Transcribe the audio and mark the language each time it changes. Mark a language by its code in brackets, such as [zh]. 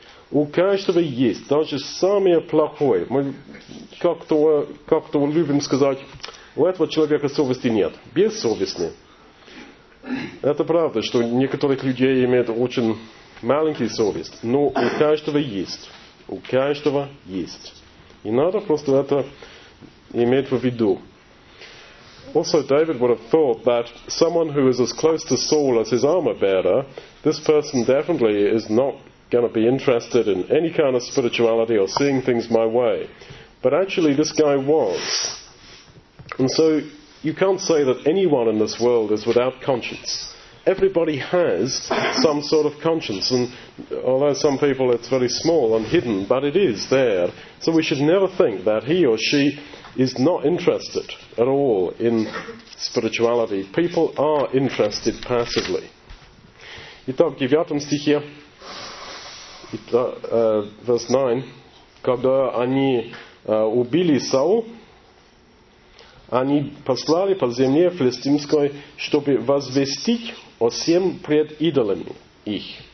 [ru] У каждого есть, даже самое плохое. Мы как-то любим сказать, у этого человека совести нет. Бессовестный. Это правда, что некоторых людей имеют очень маленькую совесть. Но у каждого есть. У каждого есть. И надо просто это имеет в виду. [en] Also, David would have thought that someone who is as close to Saul as his armor bearer, this person definitely is not going to be interested in any kind of spirituality or seeing things my way. But actually, this guy was. And so, you can't say that anyone in this world is without conscience. Everybody has some sort of conscience, and although some people it's very small and hidden, but it is there. So we should never think that he or she is not interested at all in spirituality. People are interested passively. [ru] Итак, в 9 стихе, [en] verse 9, [ru] когда они убили Саул, они послали по земле филистимской, чтобы возвестить о всем пред идолами их.